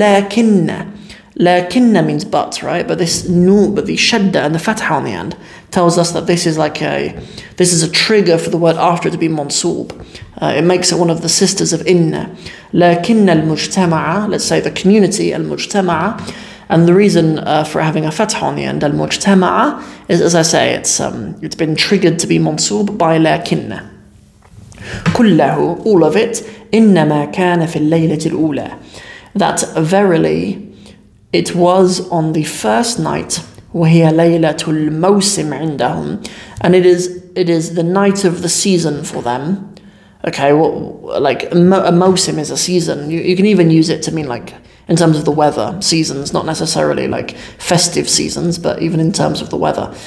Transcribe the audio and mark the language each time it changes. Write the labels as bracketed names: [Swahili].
[English] لكن means but, right? But this noon, but the shadda and the fatha on the end tells us that this is like a trigger for the word after it to be mansub. It makes it one of the sisters of Inna. [Arabic] لكن المجتمع, [English] let's say the community, المجتمع, and the reason for having a fatha on the end, المجتمع, is, as I say, it's been triggered to be منصوب by لكن. [Arabic] كله, [English] all of it, [Arabic] إنما كان في الليلة الأولى. [English] That verily, it was on the first night, [Arabic] وهي ليلة الموسم عندهم, [English] and it is the night of the season for them. Okay, well, like a mosim is a season. You can even use it to mean like in terms of the weather, seasons, not necessarily like festive seasons, but even in terms of the weather.